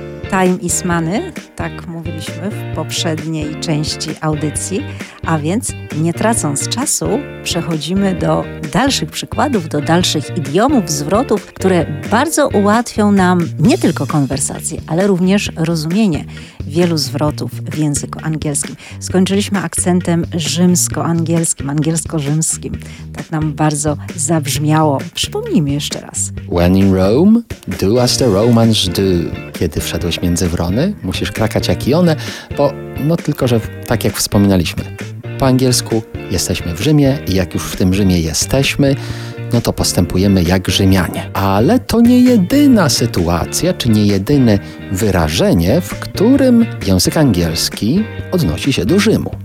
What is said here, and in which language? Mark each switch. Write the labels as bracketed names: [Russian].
[English] time ismany, [Polish] tak mówiliśmy w poprzedniej części audycji, a więc nie tracąc czasu przechodzimy do dalszych przykładów, do dalszych idiomów, zwrotów, które bardzo ułatwią nam nie tylko konwersację, ale również rozumienie wielu zwrotów w języku angielskim. Skończyliśmy akcentem rzymsko-angielskim, angielsko-rzymskim. Tak nam bardzo zabrzmiało. Przypomnijmy jeszcze raz. [English] When in Rome, do as the Romans do. [Polish] Kiedy wszedłeś między wrony, musisz krakać jak i one, bo no tylko, że tak jak wspominaliśmy, po angielsku jesteśmy w Rzymie i jak już w tym Rzymie jesteśmy, no to postępujemy jak Rzymianie. Ale to nie jedyna sytuacja, czy nie jedyne wyrażenie, w którym język angielski odnosi się do Rzymu.